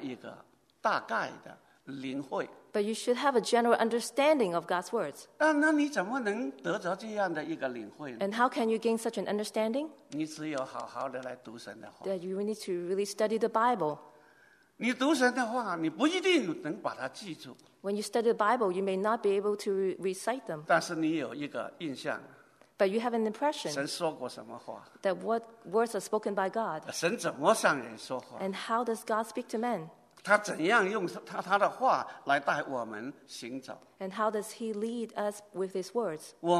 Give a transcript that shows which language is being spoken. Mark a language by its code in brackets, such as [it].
[zh] 你也最低限度要有神的话的那一个大概的领会。 [en] But you should have a general understanding of God's words. [zh] 那你怎么能得着这样的一个领会呢? [en] And how can you gain such an understanding? [zh] 你只有好好的来读神的话。 [en] That you need to really study the Bible. [zh] 你读神的话, 你不一定能把它记住。 [en] When you study the Bible, you may not be able to recite them. [zh] 但是你有一个印象。 [en] But you have an impression. [zh] 神说过什么话? [en] That what words are spoken by God. [zh] 神怎么向人说话? [en] And how does God speak to men? [zh] 他怎样用他的话来带我们行走? [en] And how does he lead us with his words?